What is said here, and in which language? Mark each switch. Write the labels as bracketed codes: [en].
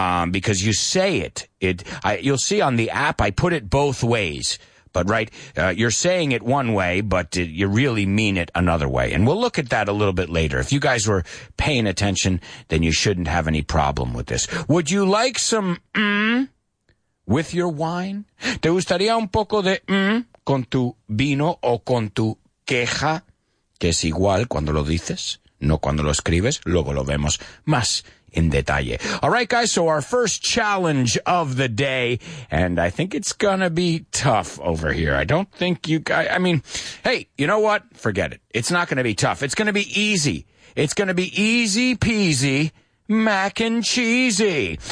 [en] Because you say you'll see on the app, I put it both ways. But, right, you're saying it one way, but you really mean it another way. And we'll look at that a little bit later. If you guys were paying attention, then you shouldn't have any problem with this. Would you like some with your wine? [es] ¿Te gustaría un poco de con tu vino o con tu queja? Que es igual cuando lo dices, no cuando lo escribes. Luego lo vemos más en detalle. [en] All right, guys, so our first challenge of the day, and I think it's going to be tough over here. I don't think you guys, I mean, hey, you know what? Forget it. It's not going to be tough. It's going to be easy. It's going to be easy peasy mac and cheesy.